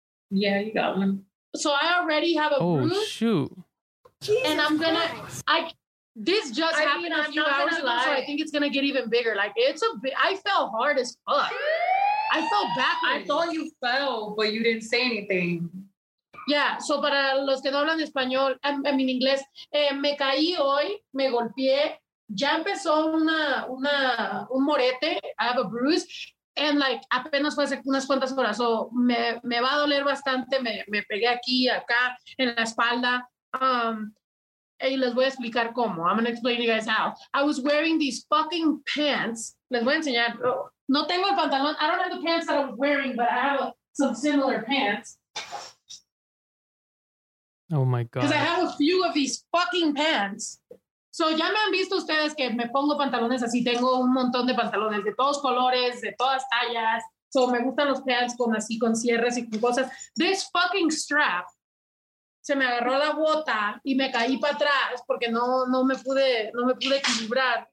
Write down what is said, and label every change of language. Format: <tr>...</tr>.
<en>Yeah, you got one. So I already have a bruise. Oh, shoot. Jesus and I'm gonna happened a few hours ago, so I think it's gonna get even bigger. Like it's I fell hard as fuck. I fell backwards. I thought you fell, but you didn't say anything. Yeah, so</en> <es>para los que no hablan español,</es> <en>I mean</en> <es>inglés, me caí hoy, me golpeé, ya empezó un morete,</es> <en>I have a bruise, and like</en> <es>apenas fue hace unas cuantas horas, so me va a doler bastante, me pegué aquí, acá, en la espalda. Y les voy a explicar cómo.</es> <en>I'm going to explain to you guys how. I was wearing these fucking pants.</en> <es>Les voy a enseñar. No tengo el pantalón.</es> <en>I don't have the pants that I was wearing, but I have some similar pants. Oh, my God. Because I have a few of these fucking pants.</en> <es>So ya me han visto ustedes que me pongo pantalones así. Tengo un montón de pantalones de todos colores, de todas tallas. So me gustan los pants con así, con cierres y con cosas.</es> <en>This fucking strap.</en> <es>Se me agarró la bota y me caí para atrás porque no me pude equilibrar.</es>